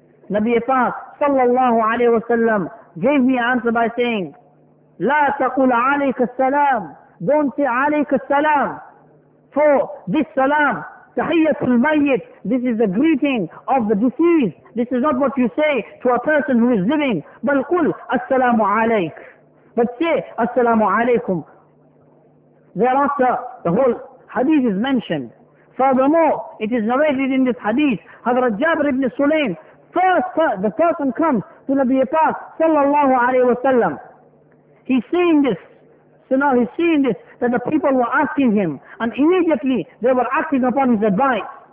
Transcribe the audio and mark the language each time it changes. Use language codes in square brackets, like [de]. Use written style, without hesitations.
[en] Nabi Pak صلى الله عليه وسلم gave me an answer by saying, [ar] لا تقول عليك السلام, [en] don't say [ar] عليك السلام, [en] for this [ar] سلام تحية الميت, [en] this is the greeting of the deceased, this is not what you say to a person who is living. [ar] بل قل السلام عليك, [en] but say [ar] السلام عليكم. [en] Thereafter, the whole hadith is mentioned. Furthermore, it is narrated in this hadith, Hazrat Jabir ibn Sulaym, the person comes to Nabi Pak sallallahu alayhi wa sallam. He's seeing this. So now he's seeing this, that the people were asking him, and immediately they were acting upon his advice.